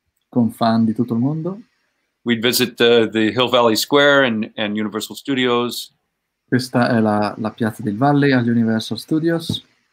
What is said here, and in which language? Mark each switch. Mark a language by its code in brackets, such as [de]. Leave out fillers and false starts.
[it] Con fan di tutto il mondo. [en] We'd visit the Hill Valley Square and Universal Studios. [it] Questa è la piazza del Valley agli Universal Studios.